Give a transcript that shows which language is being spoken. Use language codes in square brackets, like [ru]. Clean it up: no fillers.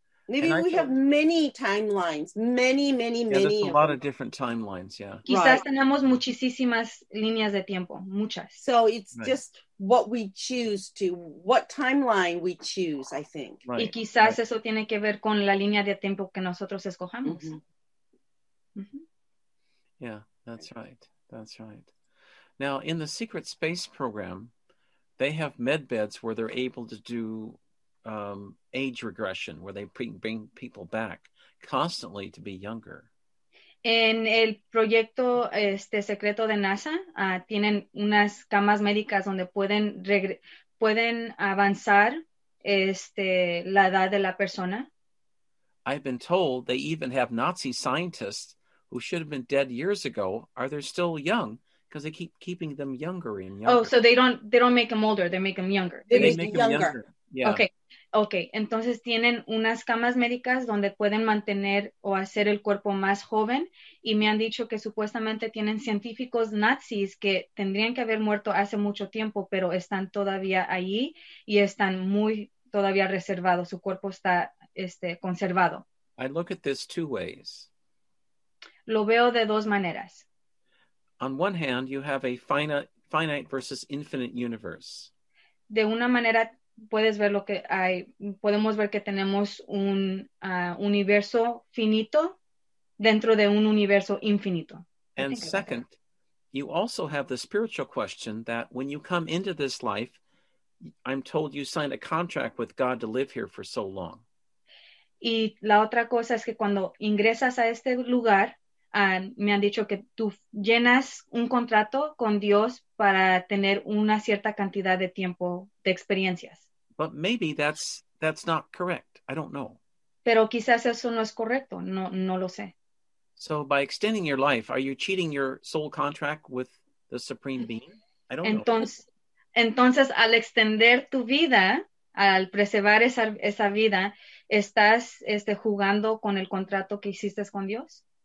[en] Maybe we have many timelines, many. Yeah, there's a lot of different timelines, yeah. [es] Quizás [en] right. [es] Tenemos muchísimas líneas de tiempo, muchas. [en] So it's right. Just what we choose to, what timeline we choose, I think. Right. [es] Y quizás [en] right. [es] Eso tiene que ver con la línea de tiempo que nosotros escojamos. Mm-hmm. [en] Yeah, that's right. That's right. Now, in the Secret Space Program, they have med beds where they're able to do age regression, where they bring people back constantly to be younger. [es] En el proyecto secreto de NASA, tienen unas camas médicas donde pueden avanzar la edad de la persona. [en] I've been told they even have Nazi scientists who should have been dead years ago. Are they still young? Because they keep keeping them younger and younger. Oh, so they don't make them older. They make them younger. They make them younger. Yeah. [es] Okay, entonces tienen unas camas médicas donde pueden mantener o hacer el cuerpo más joven, y me han dicho que supuestamente tienen científicos nazis que tendrían que haber muerto hace mucho tiempo, pero están todavía allí y están muy todavía reservado, su cuerpo está conservado. [en] I look at this two ways. [es] Lo veo de dos maneras. [en] On one hand, you have a finite versus infinite universe. [es] De una manera puedes ver lo que hay, podemos ver que tenemos un universo finito dentro de un universo infinito. [en] And second, you also have the spiritual question that when you come into this life, I'm told you signed a contract with God to live here for so long. [es] Y la otra cosa es que cuando ingresas a este lugar, me han dicho que tú llenas un contrato con Dios para tener una cierta cantidad de tiempo de experiencias. [en] But maybe that's not correct. I don't know. [es] Pero quizás eso no es correcto. No, no lo sé. [en] So by extending your life, are you cheating your soul contract with the Supreme Being? I don't know. [es] Entonces, al extender tu vida, al preservar esa vida, ¿estás jugando con el contrato que hiciste con Dios?